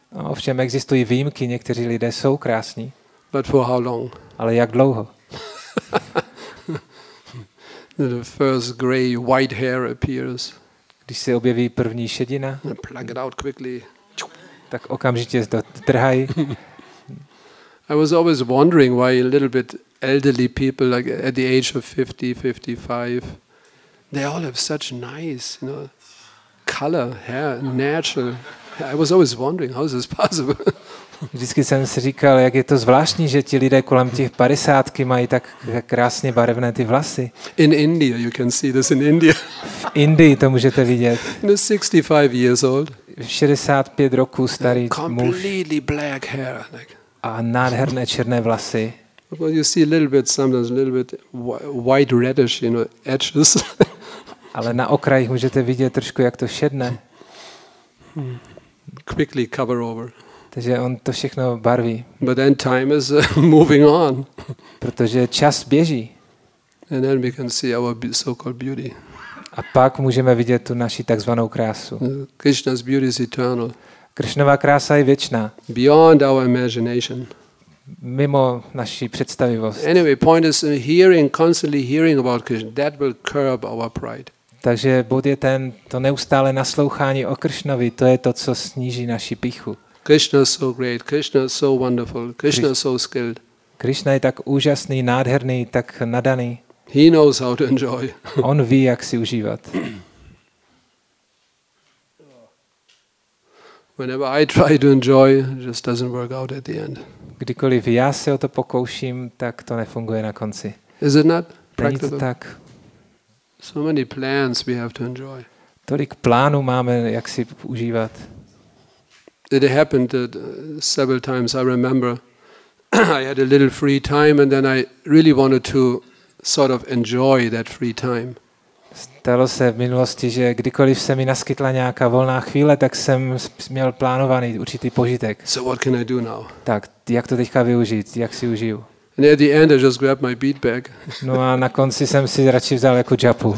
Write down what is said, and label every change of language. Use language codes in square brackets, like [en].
[cs] Ovšem existují výjimky. Někteří lidé jsou krásní. [en] But for how long? [cs] Ale jak dlouho? [en] The first gray white hair appears. [cs] Když se objeví první šedina. [en] And plug it out quickly. [cs] Tak okamžitě to trhají. [en] I was always wondering why a little bit elderly people, like at the age of 50, 55, they all have such nice, you know, color, hair, natural. I was always wondering, how is this possible? [cs] Vždycky jsem si říkal, jak je to zvláštní, že ti lidé kolem těch 50 mají tak krásně barevné ty vlasy. [en] In India, you can see this in India. [cs] V Indii to můžete vidět. [en] You know, 65 years old. [cs] 65 roků starý [en] completely [cs] muž. [en] Completely black hair. Like. [cs] A nádherné černé vlasy. [en] Well, you see a little bit sometimes a little bit white reddish, you know, edges. [cs] Ale na okrajích můžete vidět trošku, jak to šedne. [en] Quickly cover over. [cs] Takže on to všechno barví. [en] But then time is moving on. [cs] Protože čas běží. [en] And then we can see our so-called beauty. [cs] A pak můžeme vidět tu naši takzvanou krásu. [en] Krishna's beauty is eternal. [cs] Krishnova krása je věčná. [en] Beyond our imagination. [cs] Mimo naší představivost. [en] Anyway, point is hearing, constantly hearing about Krishna, that will curb our pride. [cs] Takže bod je ten, to neustále naslouchání o Krishnovi, to je to, co sníží naši pýchu. [en] Krishna is so great, Krishna is so wonderful, Krishna is so skilled. [cs] Krishna je tak úžasný, nádherný, tak nadaný. [en] He knows how to enjoy. [cs] On ví, jak si užívat. [en] Whenever I try to enjoy, it just doesn't work out at the end. [cs] Kdykoliv já se o to pokouším, tak to nefunguje na konci. [en] Is it not practical? [cs] Není to tak. [en] So many plans we have to enjoy. [cs] Tolik plánů máme, jak si užívat. [en] It happened that several times I remember I had a little free time and then I really wanted to sort of enjoy that free time. [cs] Stalo se v minulosti, že kdykoliv se mi naskytla nějaká volná chvíle, tak jsem měl plánovaný určitý požitek. [en] So what can I do now? [cs] Tak, jak to teďka využít, jak si užiju? [en] And at the end I just grabbed my beat bag. [cs] No a na konci jsem si radši vzal jako džapu.